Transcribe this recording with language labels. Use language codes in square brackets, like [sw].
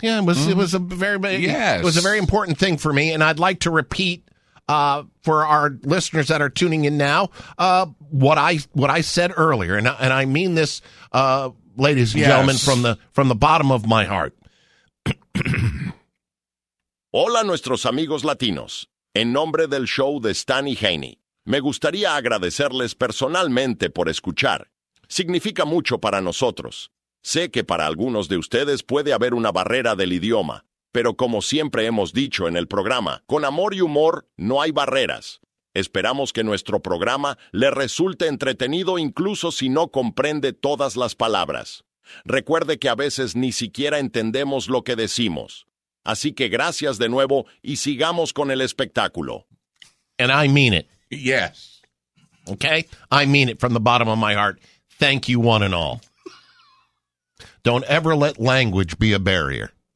[en] Yeah, it was a very important thing for me, and I'd like to repeat for our listeners that are tuning in now what I said earlier, and I mean this. Ladies and gentlemen, from the bottom of my heart. [es] Hola, nuestros amigos latinos. En nombre del show de Stan y Haney, me gustaría agradecerles personalmente por escuchar. Significa mucho para nosotros. Sé que para algunos de ustedes puede haber una barrera del idioma, pero como siempre hemos dicho en el programa, con amor y humor no hay barreras. Esperamos que nuestro programa le resulte entretenido incluso si no comprende todas las palabras. Recuerde que a veces ni siquiera entendemos lo que decimos. Así que gracias de nuevo y sigamos con el espectáculo. [en] And I mean it. Yes. Okay? I mean it from the bottom of my heart. Thank you one and all. Don't ever let language be a barrier.